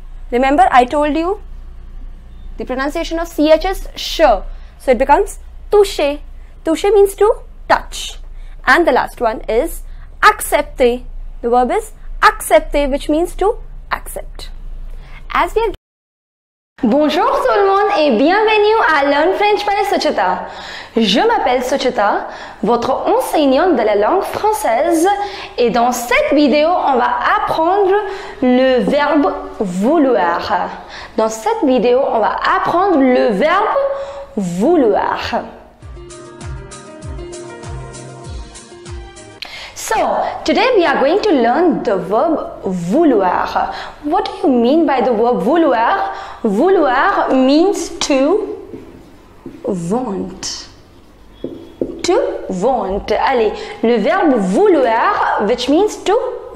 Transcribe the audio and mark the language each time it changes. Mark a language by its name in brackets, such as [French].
[English] Remember I told you the pronunciation of CH is sh, so it becomes toucher. Toucher means to touch. And the last one is accepter. The verb is accepter, which means to accept. As we are [French] Bonjour tout le monde et bienvenue à Learn French by Suchita. Je m'appelle Suchita, votre enseignante de la langue française, et dans cette vidéo, on va apprendre le verbe vouloir. Dans cette vidéo, on va apprendre le verbe vouloir. [English] So, today we are going to learn the verb vouloir. What do you mean by the verb vouloir? Vouloir means to want. [French] To want. Allez, le verbe vouloir, [English] which means to